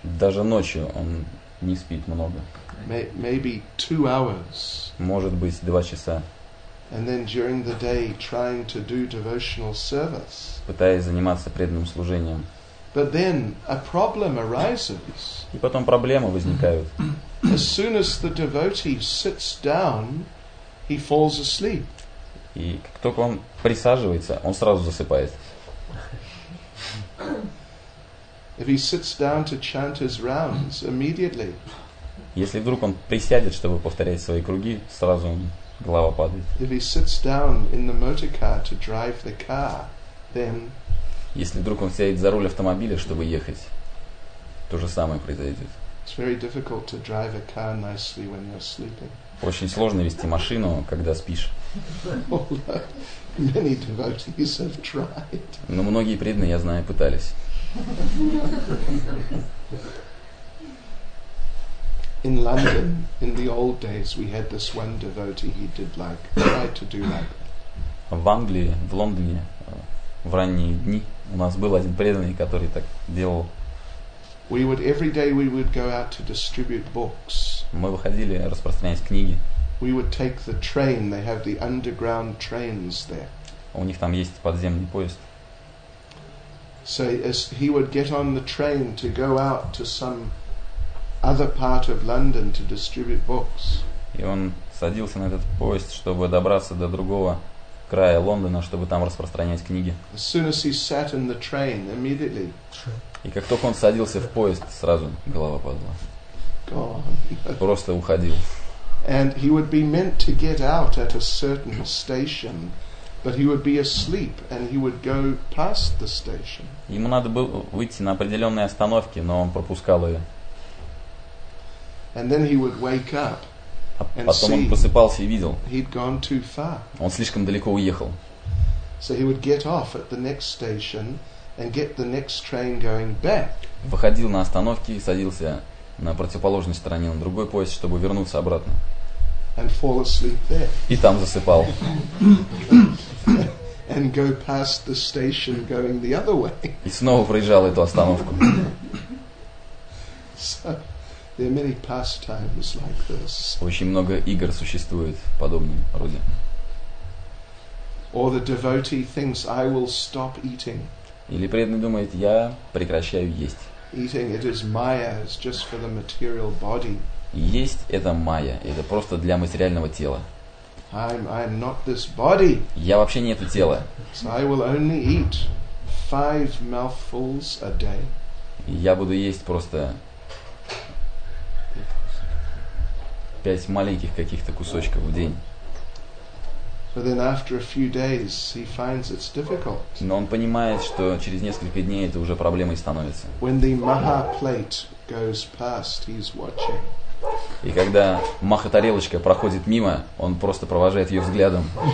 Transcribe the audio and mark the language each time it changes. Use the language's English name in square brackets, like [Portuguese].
[Russian] Даже ночью он не спит много. [English] Maybe 2 hours. [Russian] Может быть, 2 часа. [English] And then during the day trying to do devotional service. [Russian] Пытаясь заниматься преданным служением. [English] But then a problem arises. [Russian] И потом проблемы возникают. [English] As soon as the devotee sits down, he falls asleep. [Russian] И как только он присаживается, он сразу засыпает. [English] If he sits down to chant his rounds immediately. [Russian] Если вдруг он присядет, чтобы повторять свои круги, сразу голова падает. [English] If he sits down in the motor car to drive the car, then [Russian] если вдруг он сядет за руль автомобиля, чтобы ехать, то же самое произойдет. [English] It's very difficult to drive a car nicely when you're sleeping. [Russian] Очень сложно вести машину, когда спишь. [English] Many devotees have tried. [Russian] Но многие преданные, я знаю, пытались. [English] In London, in the old days, we had this one devotee. He did like try to do like. [Russian] В Англии, в Лондоне, в ранние дни у нас был один преданный, который так делал. [English] We would every day we would go out to distribute books. [Russian] Мы выходили распространять книги. [English] We would take the train. They have the underground trains there. [Russian] У них там есть подземный поезд. [English] So as he would get on the train to go out to some other part of London to distribute books. [Russian] И он садился на этот поезд, чтобы добраться до другого края Лондона, чтобы там распространять книги. [English] As soon as he sat in the train, immediately. [Russian] И как только он садился в поезд, сразу голова падала. [English] Gone. [Russian] Просто уходил. [English] And he would be meant to get out at a certain station, but he would be asleep and he would go past the station. [Russian] Ему надо было выйти на определенные остановки, но он пропускал ее. [English] And then he would wake up and [Russian] Потом он просыпался и видел. [English] He'd gone too far. [Russian] Он слишком далеко уехал. [English] So he would get off at the next station and get the next train going back. [Russian] Выходил на остановки и садился на противоположной стороне, на другой поезд, чтобы вернуться обратно. [English] And fall asleep there. [Russian] И там засыпал. [English] And go past the station going the other way. [Russian] И снова проезжал эту остановку. [English] So, there are many pastimes like this. [Russian] Очень много игр существует подобного рода. [English] Or the devotee thinks I will stop eating. [Russian] Или преданный думает, я прекращаю есть. [English] Eating, it is maya, it's just for the material body. [Russian] Есть это майя, это просто для материального тела. [English] I'm not this body. [Russian] Я вообще не это тело. [English] So I will only eat 5 mouthfuls a day. [Russian] Я буду есть просто 5 маленьких каких-то кусочков в день. [English] But then after a few days he finds it's difficult. [Russian] Но он понимает, что через несколько дней это уже проблемой становится. [English] When the maha plate goes past, he's watching. [Russian] И когда маха тарелочка проходит мимо, он просто провожает ее взглядом.